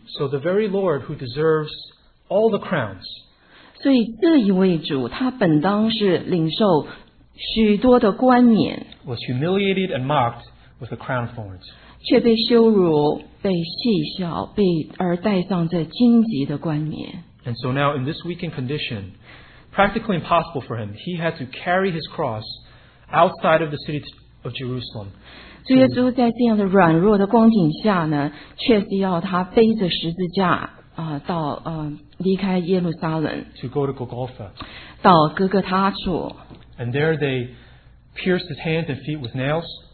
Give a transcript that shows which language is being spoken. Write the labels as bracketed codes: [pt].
[en] So the very Lord who deserves all the crowns. [zh] 所以这一位主，他本当是领受许多的冠冕。 [en] Was humiliated and mocked with a crown of thorns. [zh] 却被羞辱，被戏笑，而戴上这荆棘的冠冕。 [en] And so now in this weakened condition, practically impossible for him, he had to carry his cross outside of the city of Jerusalem. [zh] 主耶稣在这样的软弱的光景下呢，却是要他背着十字架，到离开耶路撒冷。 [en] To go to Golgotha. [zh] 到哥哥他处。 [en] And there they pierced his hands and feet with nails.